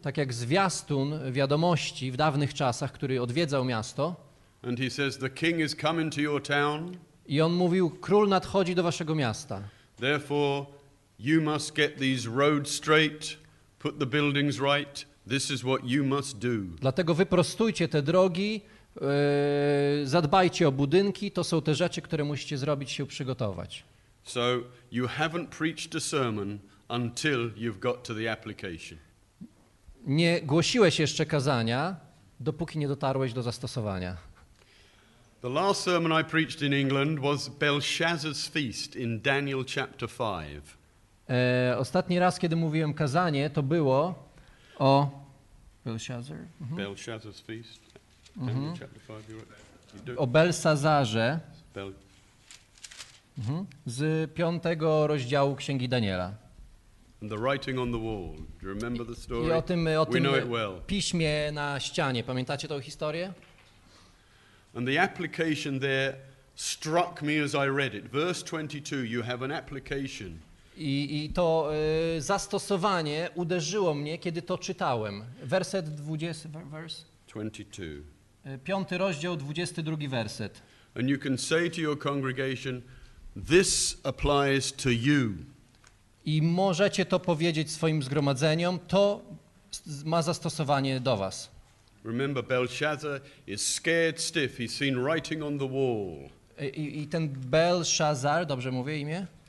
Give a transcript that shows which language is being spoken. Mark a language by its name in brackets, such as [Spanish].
[Polish] Tak jak zwiastun wiadomości w dawnych czasach, który odwiedzał miasto. [English] And he says, "The king is coming to your town." [Polish] I on mówił, król nadchodzi do waszego miasta. [English] Therefore, you must get these roads straight, put the buildings right. This is what you must do. [Polish] Dlatego wyprostujcie te drogi, Zadbajcie o budynki, to są te rzeczy, które musicie zrobić, się przygotować. [English] So you haven't preached a sermon until you've got to the application. [Polish] Nie głosiłeś jeszcze kazania, dopóki nie dotarłeś do zastosowania. [English] The last sermon I preached in England was Belshazzar's feast in Daniel chapter 5. [Polish] Ostatni raz, kiedy mówiłem kazanie, to było o Belshazzar. [English] Mm-hmm. Belshazzar's feast. Mm-hmm. Daniel chapter 5. [Polish] O Belsazarze. Mm-hmm. Z 5 rozdziału Księgi Daniela. [English] And the writing on the wall. Do you remember the story? [Polish] I o tym [English] know it well. [Polish] Piśmie na ścianie. Pamiętacie tą historię? [English] And the application there struck me as I read it. Verse 22, you have an application. [Polish] I to zastosowanie uderzyło mnie, kiedy to czytałem. Werset 22. 5 rozdział, 22 werset. [English] And you can say to your congregation, this applies to you. [Polish] I możecie to powiedzieć swoim zgromadzeniom, to ma zastosowanie do was. [English] Remember, Belshazzar is scared stiff. He's seen writing on the wall. [Polish] I ten Belshazzar, dobrze mówię imię?